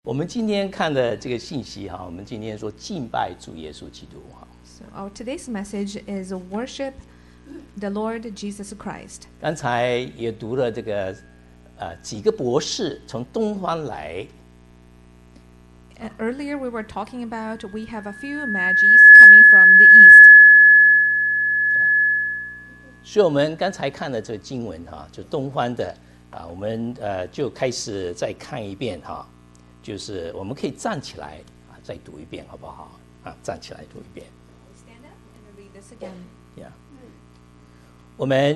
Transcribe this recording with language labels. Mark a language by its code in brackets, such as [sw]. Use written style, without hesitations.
[zh] 我们今天看的这个信息哈，我们今天说敬拜主耶稣基督哈。 [en] So our today's message is worship the Lord Jesus Christ. [zh] 刚才也读了这个，几个博士从东方来。 [en] Earlier we were talking about we have a few magis coming from the east. [zh] 所以我们刚才看的这个经文哈，就东方的啊，我们就开始再看一遍哈。就是我们可以站起来再读一遍好不好、啊、站起来读一遍 [en] Stand up and read this again、